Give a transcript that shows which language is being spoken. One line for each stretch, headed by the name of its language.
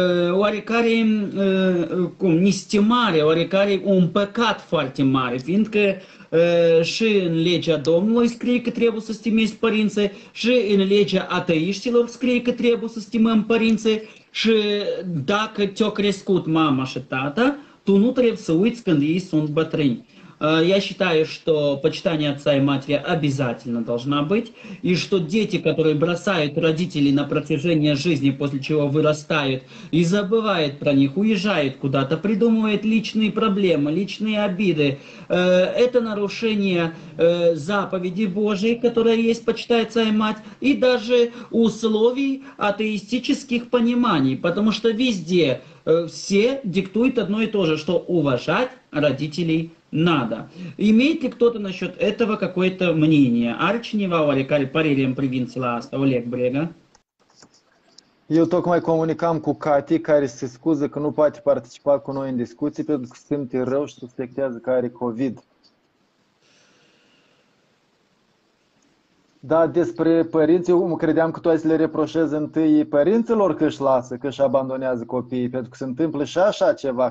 Romanian: oarecare cum, nestimare, oarecare un păcat foarte mare, fiindcă și în legea Domnului scrie că trebuie să stimezi părinții, și în legea ateiștilor scrie că trebuie să stimăm părinții, și dacă te-au crescut mama și tata, tu nu trebuie să uiți când ei sunt bătrâni.
Russian: Я считаю, что почитание отца и матери обязательно должно быть, и что дети, которые бросают родителей на протяжении жизни, после чего вырастают и забывают про них, уезжают куда-то, придумывают личные проблемы, личные обиды, это нарушение заповеди Божьей, которая есть, почитай отца и мать, и даже условий атеистических пониманий, потому что везде все диктуют одно и то же, что уважать родителей надо. Имеет ли кто-то насчет этого какое-то мнение? Арчнева, Оликаль, Парилием, Привинцила, Аста, Олег Брега?
Romanian: Eu tocmai comunicam cu Cati, care se scuză că nu poate participa cu noi în discuții pentru că se simte rău și suspectează că are COVID. Dar despre părinți, eu credeam că tu ai să le reproșezi întâi părinților că își lasă, că își abandonează copiii, pentru că se întâmplă și așa ceva.